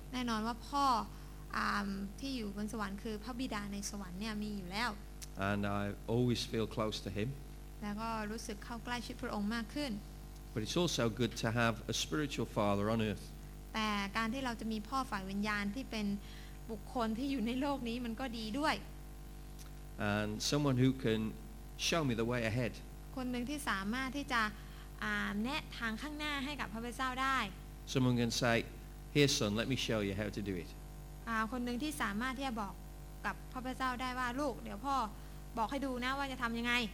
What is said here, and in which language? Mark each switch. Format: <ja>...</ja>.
<th>แน่นอนว่าพ่อที่อยู่บนสวรรค์คือพระบิดาในสวรรค์เนี่ยมีอยู่แล้ว</th> <en>and I always feel close to him.</en> <th>แล้วก็รู้สึกเข้าใกล้ชิดพระองค์มากขึ้น</th> <en>But it's also good to have a spiritual father on earth.</en> <th>แต่การที่เราจะมีพ่อฝ่ายวิญญาณที่เป็นบุคคลที่อยู่ในโลกนี้มันก็ดีด้วย</th> <en>And someone who can show me the way ahead.</en> <th>คนหนึ่งที่สามารถที่จะแนะทางข้างหน้าให้กับพระเจ้าได้</th> <en>Someone can say, "Here, son, let me show you how to do it."</en> <th>คนหนึ่งที่สามารถที่จะบอกกับพระเจ้าได้ว่าลูกเดี๋ยวพ่อบอกให้ดูนะว่าจะทำยังไง</th>